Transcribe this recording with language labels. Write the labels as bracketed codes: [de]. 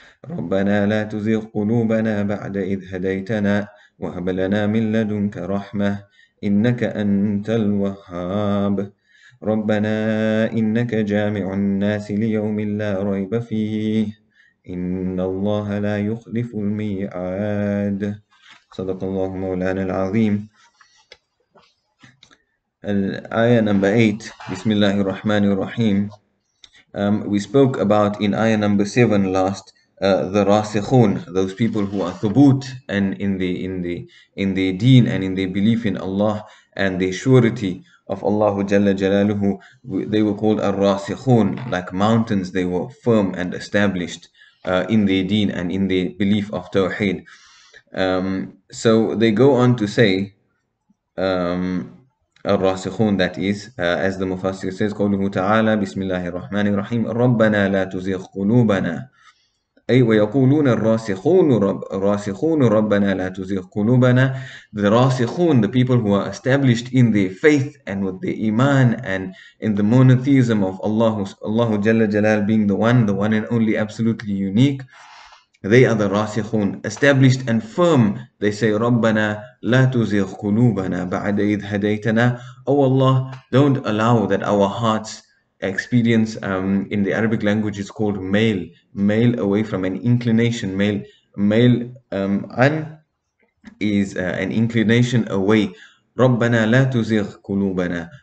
[ar] ربنا لا تزغ قلوبنا بعد إذ هديتنا وهب لنا من لدنك رحمة إنك أنت الوهاب ربنا إنك جامع الناس ليوم لا ريب فيه إن الله لا يخلف الميعاد. صدق الله مولانا العظيم. [en] الآية number 8. [ar] بسم الله الرحمن الرحيم. [en] We spoke about in آية number 7 last, the rasikhun, those people who are thubut and in the deen and in their belief in Allah and the surety of Allah Jalla Jalaluhu, they were called ar-rasikhun, like mountains. They were firm and established in their deen and in their belief of tawheed. So they go on to say, الراسخون, that is, as the mufassir says, [ar] قوله تعالى بسم الله الرحمن الرحيم ربنا لا تزغ قلوبنا أي ويقولون الراسخون ربنا لا تزغ قلوبنا. [en] The راسخون, the people who are established in their faith and with their iman and in the monotheism of Allah, Allah Jalla Jalal being the one and only absolutely unique. They are the راسخون, established and firm. They say, [ar] ربنا لا تزغ قلوبنا بعد إذ هديتنا. [en] Oh Allah, don't allow that our hearts experience, in the Arabic language it's called mail away from an inclination. Mail an is an inclination away. [ar] ربنا لا تزغ قلوبنا.